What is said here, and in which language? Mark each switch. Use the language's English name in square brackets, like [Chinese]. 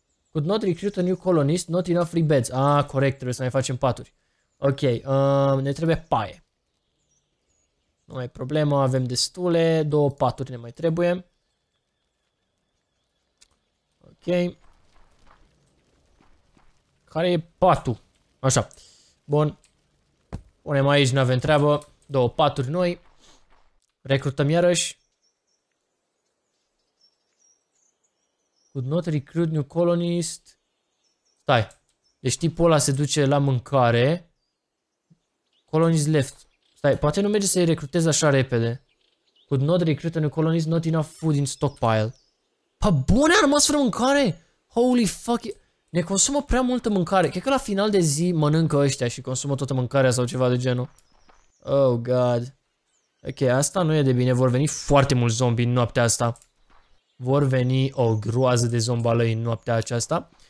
[English] Could not recruit a new colonist, not enough free beds. [Romanian] Ah, corect, trebuie să mai facem paturi. Ok, ne trebuie paie. Nu mai e problemă, avem destule, 2 paturi ne mai trebuie. Ok. Care e patul? Așa. Bun. Punem aici, nu avem treabă. 2 paturi noi. Recrutăm iarăși. [English] Could not recruit new colonist. [Romanian] Stai. Deci tipul ăla se duce la mâncare. [English] Colonist left. [Romanian] Stai, poate nu merge să-i recrutez așa repede. [English] Could not recruit a new colonist, not enough food in stockpile. [Romanian] Pa bune, a rămas fără mâncare! [English] Holy fuck! [Romanian] Ne consumă prea multă mâncare. Cred că la final de zi mănâncă ăștia și consumă toată mâncarea sau ceva de genul. [English] Oh god. [Romanian] Ok, asta nu e de bine. Vor veni foarte mulți zombi în noaptea asta. Vor veni o groază de zombalăi în noaptea aceasta.